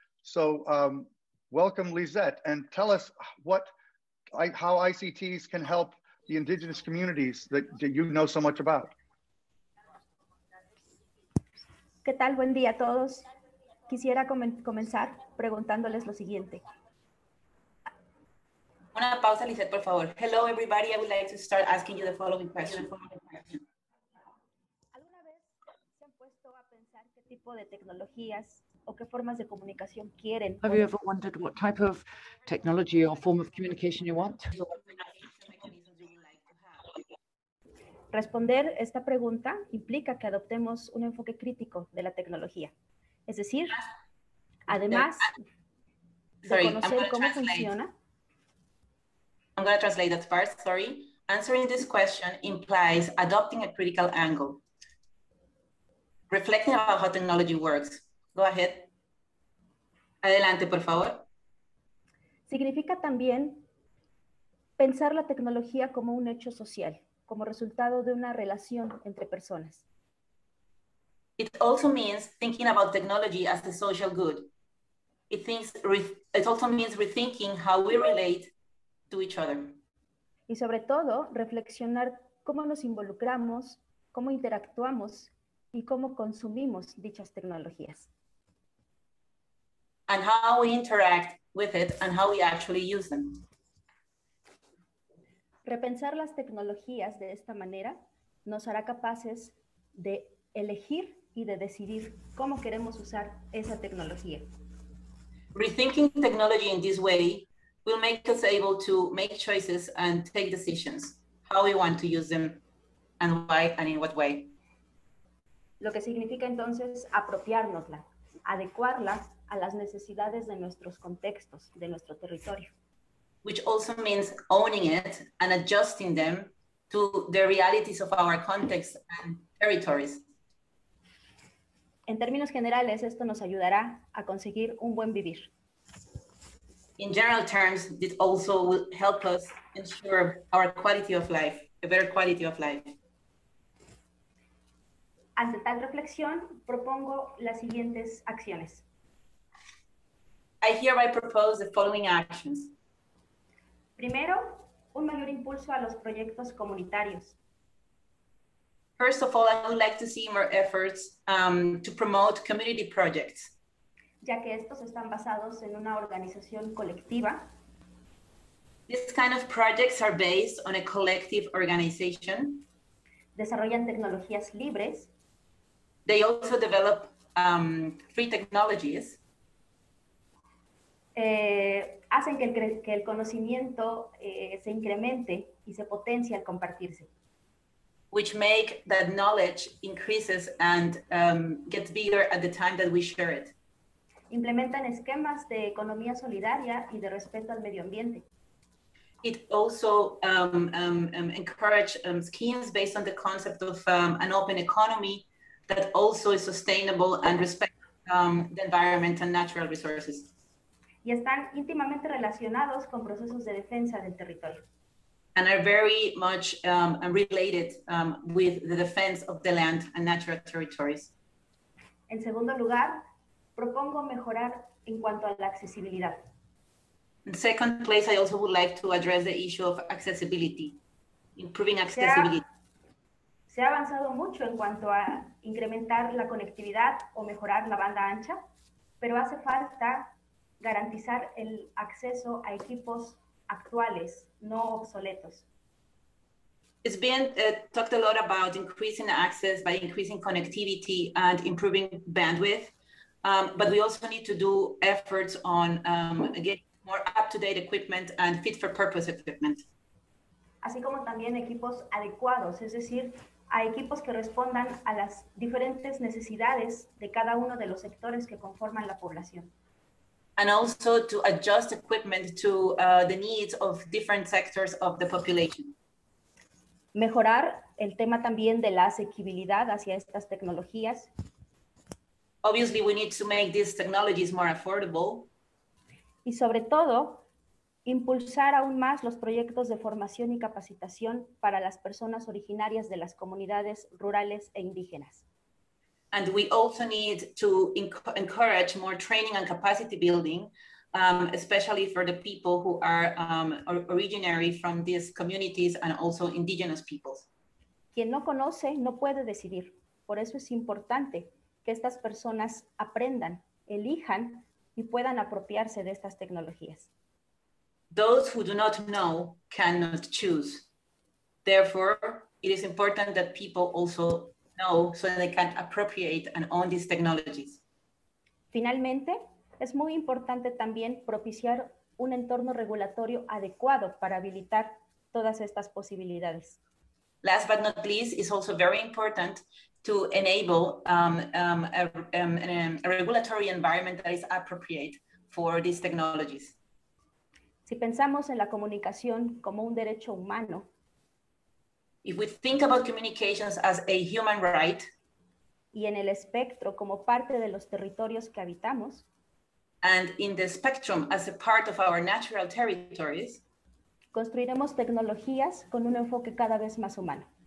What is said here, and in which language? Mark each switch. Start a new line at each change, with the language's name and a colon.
English: So welcome, Lizette, and tell us how ICTs can help the indigenous communities that you know so much about.
Spanish: ¿Qué tal? Buen día a todos. Quisiera comenzar preguntándoles lo siguiente. Una pausa, Lizette, por favor.
English: Hello, everybody. I would like to start asking you the following question.
Spanish: ¿Alguna vez se han puesto a pensar qué tipo de tecnologías o qué formas de comunicación quieren?
English: Have you ever wondered what type of technology or form of communication you want?
Spanish: Responder esta pregunta implica que adoptemos un enfoque crítico de la tecnología. Es decir, además de conocer cómo funciona.
English: I'm going to translate that part, sorry. Answering this question implies adopting a critical angle. Reflecting about how technology works. Go ahead.
Spanish: Adelante, por favor. Significa también pensar la tecnología como un hecho social, como resultado de una relación entre personas.
English: It also means thinking about technology as a social good. It also means rethinking how we relate to each other.
Spanish: Y sobre todo, reflexionar cómo nos involucramos, cómo interactuamos y cómo consumimos dichas tecnologías.
English: And how we interact with it and how we actually use them.
Spanish: Repensar las tecnologías de esta manera nos hará capaces de elegir y de decidir cómo queremos usar esa tecnología.
English: Rethinking technology in this way will make us able to make choices and take decisions, how we want to use them and why and in what way.
Spanish: Lo que significa entonces apropiárnosla, adecuarla a las necesidades de nuestros contextos, de nuestro territorio.
English: Which also means owning it and adjusting them to the realities of our context and territories.
Spanish: En términos generales, esto nos ayudará a conseguir un buen vivir.
English: In general terms, this also will help us ensure our quality of life, a better quality of life.
Spanish: Ante tal reflexión, propongo las siguientes acciones.
English: I hereby propose the following actions.
Spanish: Primero, un mayor impulso a los proyectos comunitarios.
English: First of all, I would like to see more efforts to promote community projects.
Spanish: Ya que estos están basados en una organización colectiva.
English: These kind of projects are based on a collective organization.
Spanish: Desarrollan tecnologías libres.
English: They also develop free technologies.
Spanish: Hacen que el conocimiento se incremente y se potencie al compartirse.
English: Which make that knowledge increases and gets bigger at the time that we share it.
Spanish: Implementan esquemas de economía solidaria y de respeto al medio ambiente.
English: It also encourage schemes based on the concept of an open economy that also is sustainable and respects the environment and natural resources.
Spanish: Y están íntimamente relacionados con procesos de defensa del territorio.
English: And are very much related with the defense of the land and natural territories.
Spanish: En segundo lugar, propongo mejorar en cuanto a la accesibilidad.
English: In second place, I also would like to address the issue of accessibility, improving accessibility.
Spanish: Se ha avanzado mucho en cuanto a incrementar la conectividad o mejorar la banda ancha, pero hace falta garantizar el acceso a equipos actuales, no obsoletos.
English: It's been talked a lot about increasing access by increasing connectivity and improving bandwidth, but we also need to do efforts on getting more up-to-date equipment and fit-for-purpose equipment.
Spanish: Así como también equipos adecuados, es decir, a equipos que respondan a las diferentes necesidades de cada uno de los sectores que conforman la población.
English: And also to adjust equipment to the needs of different sectors of the population.
Spanish: Mejorar el tema también de la asequibilidad hacia estas tecnologías.
English: Obviously, we need to make these technologies more affordable.
Spanish: Y sobre todo, impulsar aún más los proyectos de formación y capacitación para las personas originarias de las comunidades rurales e indígenas.
English: And we also need to encourage more training and capacity building, especially for the people who are originary from these communities and also indigenous peoples.
Spanish: Quien no conoce no puede decidir. Por eso es importante que estas personas aprendan, elijan y puedan apropiarse de estas tecnologías.
English: Those who do not know cannot choose. Therefore, it is important that people also know so that they can appropriate and own these technologies.
Spanish: Finalmente, es muy importante también propiciar un entorno regulatorio adecuado para habilitar todas estas posibilidades.
English: Last but not least, it's also very important to enable a regulatory environment that is appropriate for these technologies.
Spanish: Si pensamos en la comunicación como un derecho humano,
English: if we think about communications as a human right,
Spanish: y en el espectro como parte de los territorios que habitamos,
English: and in the spectrum as a part of our natural territories,
Spanish: construiremos tecnologías con un enfoque cada vez más humano.